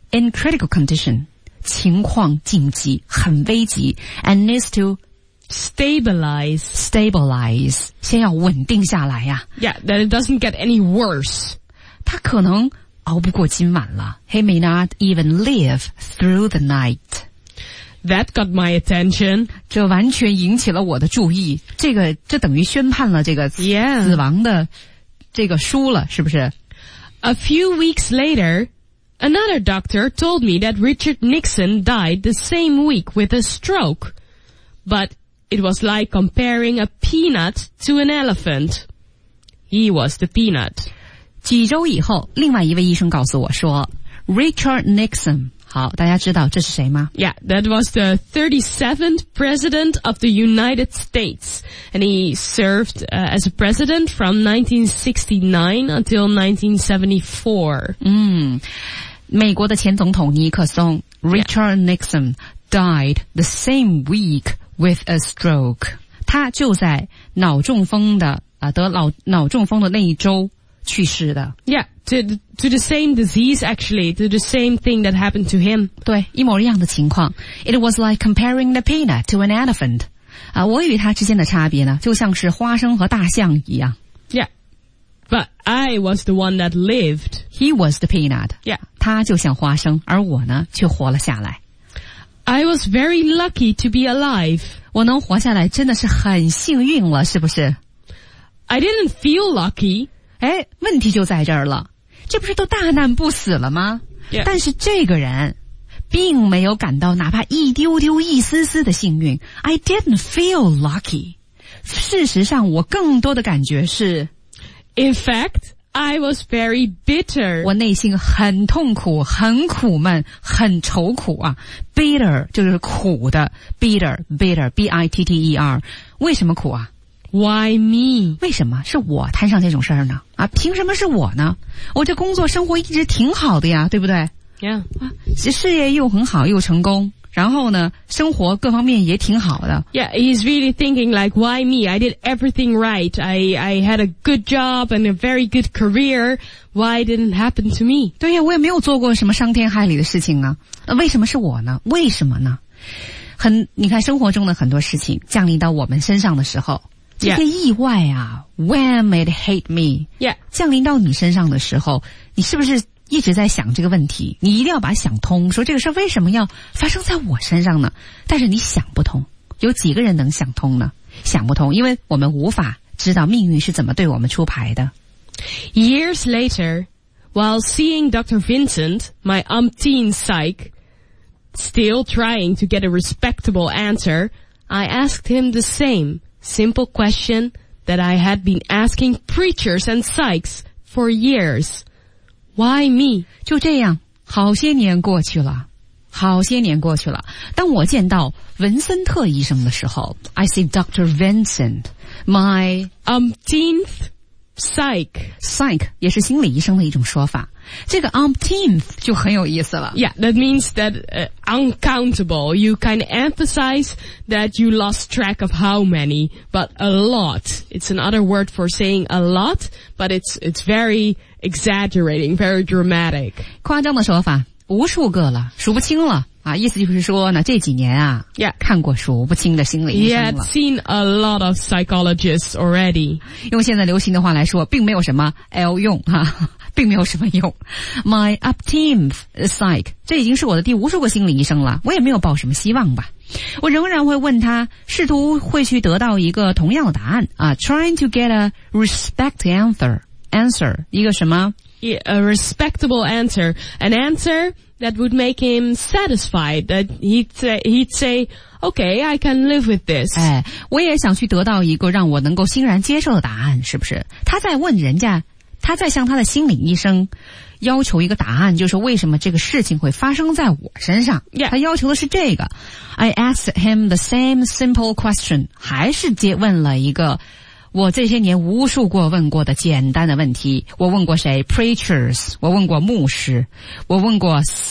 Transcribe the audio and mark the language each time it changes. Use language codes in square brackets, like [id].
[en] In critical condition. [zh] 情况紧急很危急 [en] and needs to stabilize. Stabilize. [zh] 先要稳定下来啊。 [en] Yeah, that it doesn't get any worse. [zh] 他可能熬不过今晚了。 [en] He may not even live through the night. That got my attention. [zh] 这完全引起了我的注意。这等于宣判了这个死亡的这个书了、 yeah. 是不是 [en] ?A few weeks later, another doctor told me that Richard Nixon died the same week with a stroke. But it was like comparing a peanut to an elephant. He was the peanut. [zh] 几周以后，另外一位医生告诉我说 ，Richard Nixon。好，大家知道这是谁吗 [en] ？Yeah, that was the 37th president of the United States, and he served, as a president from 1969 until 1974. [zh] 嗯，美国的前总统尼克松 ，Richard、yeah. [en] Nixon died the same week with a stroke. [zh] 他就在脑中风的啊、得脑中风的那一周。去世的 [en] Yeah, to the same disease actually, to the same thing that happened to him. [zh] 对，一模一样的情况。 [en] It was like comparing the peanut to an elephant. [zh] 啊，我与他之间的差别呢，就像是花生和大象一样。 [en] Yeah, but I was the one that lived. He was the peanut. Yeah. [zh] 他就像花生，而我呢，却活了下来。 [en] I was very lucky to be alive. [zh] 我能活下来真的是很幸运了，是不是 [en] ?I didn't feel lucky. [zh] 哎，问题就在这儿了，这不是都大难不死了吗、 yeah. 但是这个人并没有感到哪怕一丢丢一丝丝的幸运 [en] I didn't feel lucky [zh] 事实上我更多的感觉是 [en] In fact, I was very bitter [zh] 我内心很痛苦很苦闷很愁苦啊 Bitter 就是苦的 Bitter B-I-T-T-E-R 为什么苦啊 [en] Why me? [zh] 为什么是我摊上这种事儿呢？啊，凭什么是我呢？我这工作生活一直挺好的呀，对不对？Yeah，啊，事业又很好又成功，然后呢，生活各方面也挺好的。 [en] Yeah， he's really thinking like why me? I did everything right. I had a good job and a very good career. Why didn't happen to me? [zh] 对呀，我也没有做过什么伤天害理的事情啊，为什么是我呢？为什么呢？你看生活中的很多事情降临到我们身上的时候。 Yeah. 这些意外啊 , [en] when it hit me,、 yeah. [zh] 降临到你身上的时候你是不是一直在想这个问题你一定要把想通说这个事为什么要发生在我身上呢但是你想不通有几个人能想通呢想不通因为我们无法知道命运是怎么对我们出牌的。 [en] Years later, while seeing Dr. Vincent, my umpteen psych, still trying to get a respectable answer, I asked him the same. Simple question that I had been asking preachers and psychs for years. Why me? [zh] 就这样，好些年过去了，好些年过去了。当我见到文森特医生的时候 ， [en] I see Dr. Vincent, my umpteenth psych. [zh] Psych 也是心理医生的一种说法。这个 umpteenth 就很有意思了。 [en] Yeah, that means that、uncountable. You kind of emphasize that you lost track of how many, but a lot. It's another word for saying a lot, but it's very exaggerating, very dramatic. [zh] 夸张的说法，无数个了，数不清了啊！意思就是说呢，这几年啊， yeah. 看过数不清的心理医生了。 [en] Yeah, seen a lot of psychologists already. [zh] 用现在流行的话来说，并没有什么 L 用哈。并没有什么用 [en] My upteenth psych [zh] 这已经是我的第无数个心理医生了我也没有抱什么希望吧我仍然会问他试图会去得到一个同样的答案、 [en] trying to get a respect answer [zh] 一个什么 [en] yeah, a respectable answer an answer that would make him satisfied that he'd say okay I can live with this、 [zh] 哎、我也想去得到一个让我能够欣然接受的答案是不是他在问人家他在向他的心理医生要求一个答案就是为什么这个事情会发生在我身上、 yeah. 他要求的是这个 [en] I asked him the same simple question [zh] 还是问了一个我这些年无数过问过的简单的问题我问过谁 preachers 我问过牧师我问过